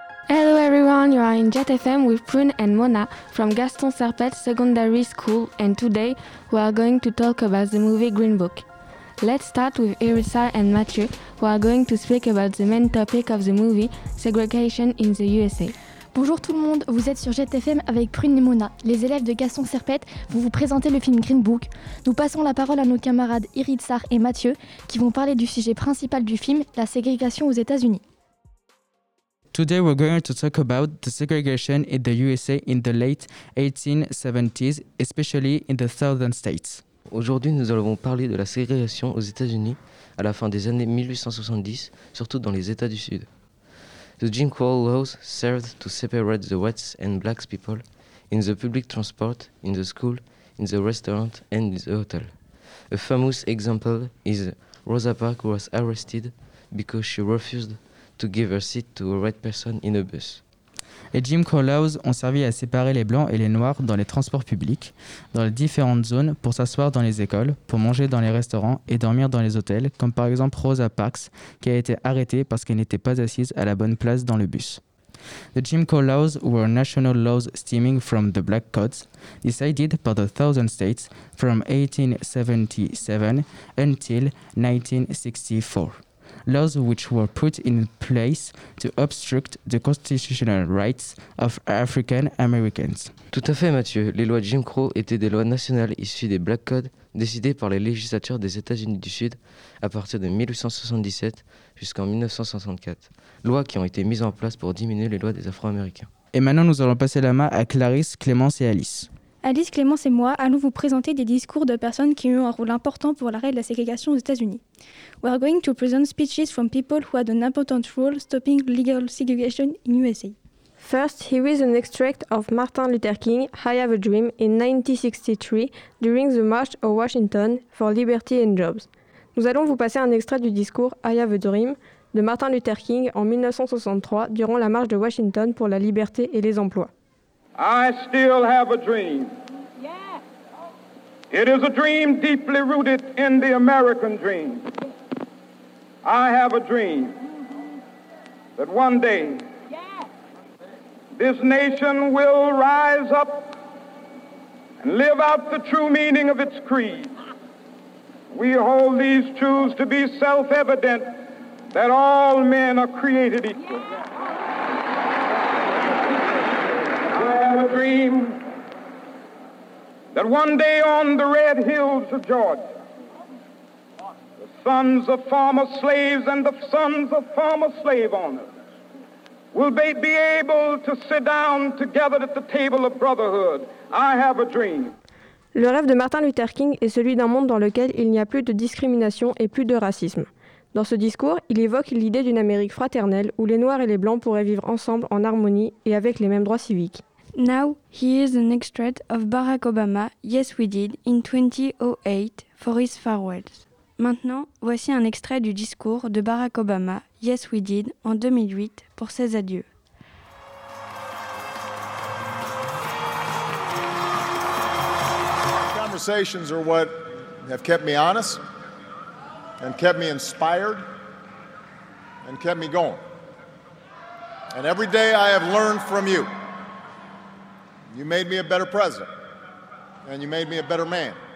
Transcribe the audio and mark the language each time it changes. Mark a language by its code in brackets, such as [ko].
[en] everyone, you are in Jet FM with Prune and Mona from Gaston Serpette Secondary School, and today we are going to talk about the movie Green Book. Let's start with Erisa and Mathieu, who are going to speak about the main topic of the movie, segregation in the USA. [fr] Bonjour tout le monde, vous êtes sur Jet FM avec Prune et Mona. Les élèves de Gaston Serpette vont vous présenter le film Green Book. Nous passons la parole à nos camarades Erisa et Mathieu, qui vont parler du sujet principal du film, la ségrégation aux États-Unis. [en] Today we're going to talk about the segregation in the USA in the late 1870s, especially in the southern states. [fr] Aujourd'hui, nous allons parler de la ségrégation aux États-Unis à la fin des années 1870, surtout dans les États du Sud. [en] The Jim Crow laws served to separate the whites and blacks people in the public transport, in the school, in the restaurant and in the hotel. A famous example is Rosa Parks, who was arrested because she refused to give her seat to a white person in a bus. [fr] Les Jim Crow laws ont servi à séparer les blancs et les noirs dans les transports publics, dans les différentes zones, pour s'asseoir dans les écoles, pour manger dans les restaurants et dormir dans les hôtels, comme par exemple Rosa Parks, qui a été arrêtée parce qu'elle n'était pas assise à la bonne place dans le bus. [en] The Jim Crow laws were national laws stemming from the Black Codes, decided by the Southern states from 1877 until 1964. Laws which were put in place to obstruct the constitutional rights of African Americans. [fr] Tout à fait, Mathieu. Les lois Jim Crow étaient des lois nationales issues des Black Codes décidées par les législatures des États-Unis du Sud à partir de 1877 jusqu'en 1964. Lois qui ont été mises en place pour diminuer les lois des Afro-Américains. Et maintenant, nous allons passer la main à Clarisse, Clémence et Alice. Alice, Clémence et moi allons vous présenter des discours de personnes qui ont eu un rôle important pour l'arrêt de la ségrégation aux États-Unis. [en] We are going to present speeches from people who had an important role stopping legal segregation in USA. First, here is an extract of Martin Luther King, I Have a Dream, in 1963, during the March of Washington for Liberty and Jobs. [fr] Nous allons vous passer un extrait du discours I Have a Dream de Martin Luther King en 1963, durant la marche de Washington pour la liberté et les emplois. [en] I still have a dream. It is a dream deeply rooted in the American dream. I have a dream that one day this nation will rise up and live out the true meaning of its creed. We hold these truths to be self-evident that all men are created equal. A dream that one day on the red hills of Georgia, the sons of former slaves and the sons of former slave owners will be able to sit down together at the table of brotherhood. I have a dream. [fr] Le rêve de Martin Luther King est celui d'un monde dans lequel il n'y a plus de discrimination et plus de racisme. Dans ce discours, il évoque l'idée d'une Amérique fraternelle où les Noirs et les Blancs pourraient vivre ensemble en harmonie et avec les mêmes droits civiques. [en] Now, here's an extract of Barack Obama, Yes We Did, in 2008, for his farewells. [fr] Maintenant, voici un extrait du discours de Barack Obama, Yes We Did, en 2008, pour ses adieux. [en] Conversations are what have kept me honest, and kept me inspired, and kept me going. And every day I have learned from you. You made me a better president, and you made me a better man.